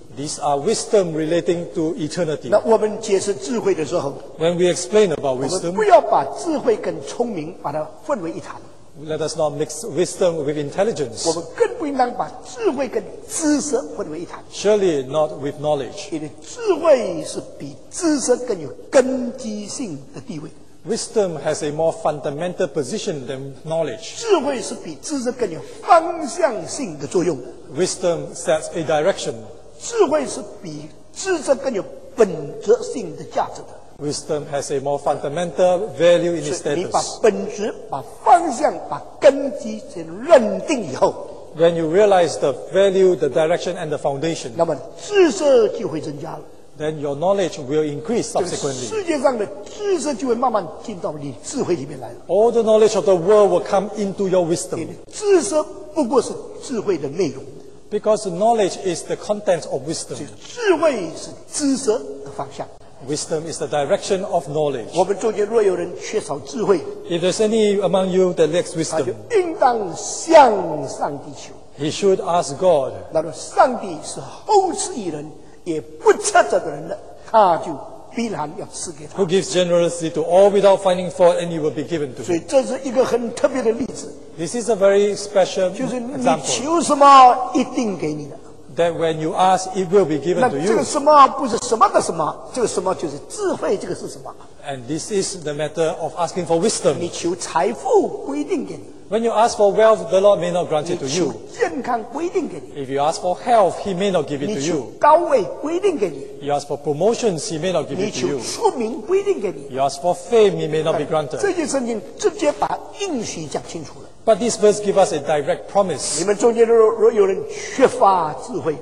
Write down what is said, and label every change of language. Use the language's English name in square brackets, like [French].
[English] These are wisdom relating to eternity. [Chinese] 那我们解释智慧的时候 [English] ，When we explain about wisdom, [Chinese] 我们不要把智慧跟聪明把它混为一谈。 [English] Let us not mix wisdom with intelligence. [Chinese] 我们更不应当把智慧跟知识混为一谈。 [English] Surely not with knowledge. [Chinese] 因为智慧是比知识更有根基性的地位。 [English] Wisdom has a more fundamental position than knowledge. [Chinese] 智慧是比知识更有方向性的作用。 [English] Wisdom sets a direction. [Chinese] 智慧是比知识更有本质性的价值的。 [English] Wisdom has a more fundamental value in its status. [Chinese] 你把本质、把方向、把根基先认定以后 [English] ，When you realize the value, the direction, and the foundation, [Chinese] 那么知识就会增加了。 [English] Then your knowledge will increase subsequently. [Chinese] 世界上的知识就会慢慢进到你智慧里面来了。 [English] All the knowledge of the world will come into your wisdom. [Chinese] 因为知识不过是智慧的内容。 [English] Because knowledge is the content of wisdom. [Chinese] 所以智慧是知识的方向。 [English] Wisdom is the direction of knowledge. [Chinese] 我们中间若有人缺少智慧， [English] If there's any among you that lacks wisdom, [Chinese] 他就应当向上帝求。 [English] He should ask God. [Chinese] 那么上帝是厚赐于人，也不测责的人的，他就必然要赐给他。 [English] Who gives generously to all without finding fault, and it will be given to him. [Chinese] 所以这是一个很特别的例子。 [English] This is a very special example. [Chinese] 就是你求什么，一定给你的。 [English] That when you ask, it will be given to you. [Chinese] 那这个什么不是什么的什么，这个什么就是智慧，这个是什么 [English] ？And this is the matter of asking for wisdom. [Chinese] 你求财富不一定给你。 [English] When you ask for wealth, the Lord may not grant it to you. [Chinese] 你求健康不一定给你。 [English] If you ask for health, He may not give it to you. [Chinese] 你求高位不一定给你。 [English] You ask for promotions, He may not give it to you. [Chinese] 你求出名不一定给你。 [English] You ask for fame, He may not be granted. [Chinese] 这些圣经直接把应许讲清楚了。 [English] But this verse gives us a direct promise. [Chinese] 你们中间若有人缺乏智慧，